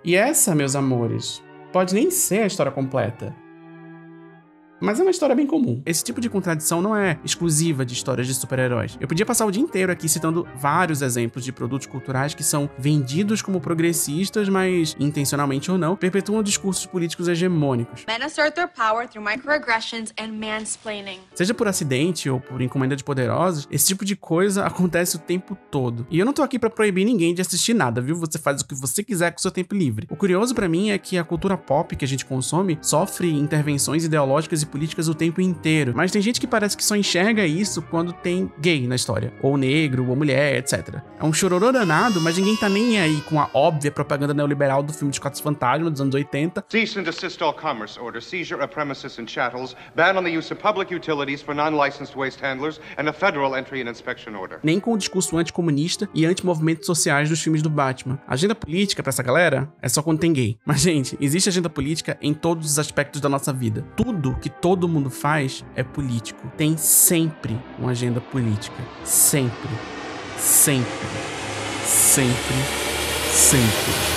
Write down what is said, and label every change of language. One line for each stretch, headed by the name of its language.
Portuguese: E essa, meus amores, pode nem ser a história completa. Mas é uma história bem comum. Esse tipo de contradição não é exclusiva de histórias de super-heróis. Eu podia passar o dia inteiro aqui citando vários exemplos de produtos culturais que são vendidos como progressistas, mas, intencionalmente ou não, perpetuam discursos políticos hegemônicos.
English: Men assert their power through microaggressions and mansplaining.
Portuguese: Seja por acidente ou por encomenda de poderosos, esse tipo de coisa acontece o tempo todo. E eu não tô aqui pra proibir ninguém de assistir nada, viu? Você faz o que você quiser com seu tempo livre. O curioso pra mim é que a cultura pop que a gente consome sofre intervenções ideológicas e políticas o tempo inteiro, mas tem gente que parece que só enxerga isso quando tem gay na história, ou negro, ou mulher, etc. É um chororô danado, mas ninguém tá nem aí com a óbvia propaganda neoliberal do filme de Quatro Fantasmas dos anos 80.
English: Cease and desist all commerce order, seizure of premises and chattels, ban on the use of public utilities for non-licensed waste handlers, and a federal entry and inspection order.
Portuguese: Nem com o discurso anticomunista e anti-movimentos sociais dos filmes do Batman. Agenda política pra essa galera é só quando tem gay. Mas, gente, existe agenda política em todos os aspectos da nossa vida. Tudo que todo mundo faz é político. Tem sempre uma agenda política. Sempre. Sempre. Sempre. Sempre.